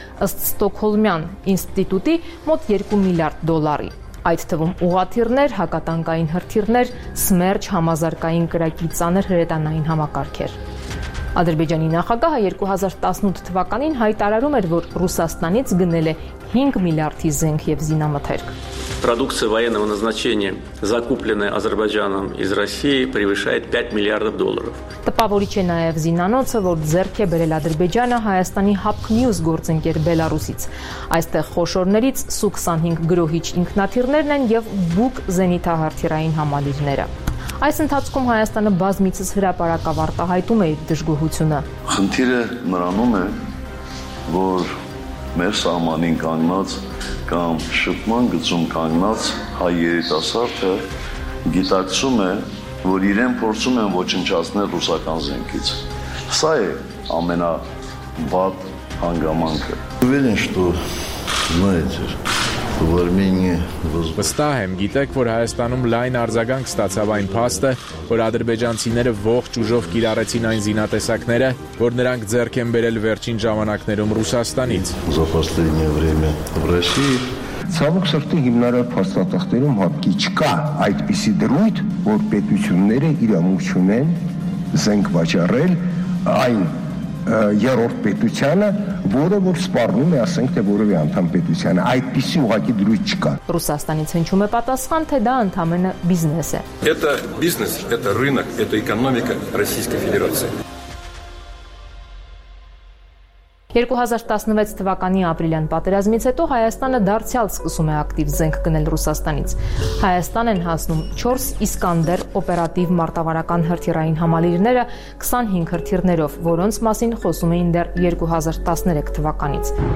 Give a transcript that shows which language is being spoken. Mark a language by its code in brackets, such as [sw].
[hy] ըստ Ստոկհոլմյան ինստիտուտի մոտ 2 միլիարդ դոլարի, այդ թվում ուղաթիռներ, հակատանկային հրթիռներ, սմերչ, համազարկային կրակի ծանր հրետանային համակարգեր։ Ադրբեջանի նախագահը 2018 թվականին հայտարարում էր, որ Ռուսաստանից գնել է 5 միլիարդի զենք եւ զինամթերք։ [ru] Продукция военного назначения, закупленная Азербайджаном из России, превышает 5 миллиардов долларов. [hy] Տպավորիչ է նաև զինանոցը, որ ձեռք է բերել Ադրբեջանը Հայաստանի ՀԱՊԿ News գործընկեր Բելարուսից։ Այստեղ խոշորներից Su-25 գրոհիչ ինքնաթիռներն են եւ Բուկ զենիտահարթիռային համալիրները։ Այս ընթացքում Հայաստանը բազմիցս հրապարակավ արտահայտում է իր դժգոհությունը։ Խնդիրը մնանում է, որ մեր սահմանին կանգնած կամ շփման գծում կանգնած հայ երիտասարդը գիտակցում է, որ իրեն փորձում են ոչնչացնել ռուսական զենքից։ Սա է ամենավատ հանգամանքը։ Ուրեմն, [ru] что знаете, в Армении [hy] վստահ եմ, գիտեք, որ Հայաստանում լայն արձագանք ստացավ այն փաստը, որ ադրբեջանցիները ողջ ուժով կիրառեցին այն զինատեսակները, որ նրանք ձեռք են բերել վերջին ժամանակներում Ռուսաստանից։ Ցավոք սրտի հիմնարար փաստաթղթերում հապկի չկա այդպիսի դրույթ, որ պետությունները իրամություն են զենք վաճառել այն երրորդ պետությանը, որը որ սպառնում է, ասենք թե որևէ անդամ պետությանը, այդպիսի ուղղակի դրույթ չկա։ Ռուսաստանից հնչում է պատասխան, թե դա ընդամենը բիզնես է։ [ru] Это бизнес, это рынок, это экономика Российской Федерации. [hy] 2016 թվականի ապրիլյան պատերազմից հետո Հայաստանը դարձյալ սկսում է ակտիվ զենք գնել Ռուսաստանից։ Հայաստան են հասնում 4 Իսկանդեր օպերատիվ մարտավարական հրթիռային համալիրները 25 հրթիռներով, որոնց մասին խոսում էին դեռ 2013 թվականից։